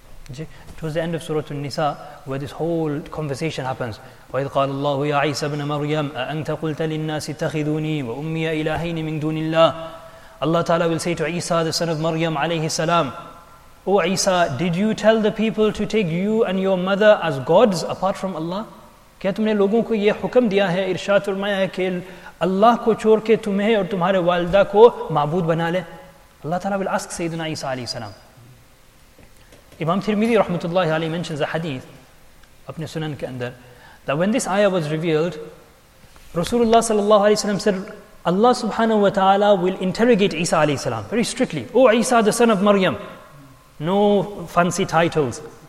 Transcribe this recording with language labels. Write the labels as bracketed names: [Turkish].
[English] It was the end of Surah An-Nisa where this whole conversation happens. [Arabic] وَإِذْ قَالَ اللَّهُ يَا عِيسَى بْنَ مَرْيَمَ أَأَنْتَ قُلْتَ لِلنَّاسِ اتَّخِذُونِي وَأُمِّيَ إِلَهَيْنِ مِن دُونِ اللَّهِ. [English] Allah Ta'ala will say to Isa, the son of Maryam alayhi salam, O Isa, did you tell the people to take you and your mother as gods apart from Allah? [Urdu] کیا تم نے لوگوں کو یہ حکم دیا ہے, ارشاد فرمایا ہے کہ اللہ کو چھوڑ کے تمہیں اور تمہارے والدہ کو معبود بنا لے؟ [English] Allah Ta'ala will ask [Urdu] سیدنا عیسیٰ علیہ السلام. [English] Imam Tirmidhi rahmatullahi alayhi mentions a hadith [Urdu] apne sunan ke andar [English] that when this ayah was revealed, Rasulullah sallallahu alayhi wa sallam said, Allah subhanahu wa ta'ala will interrogate Isa alayhi salam very strictly. O Isa, the son of Maryam. No fancy titles.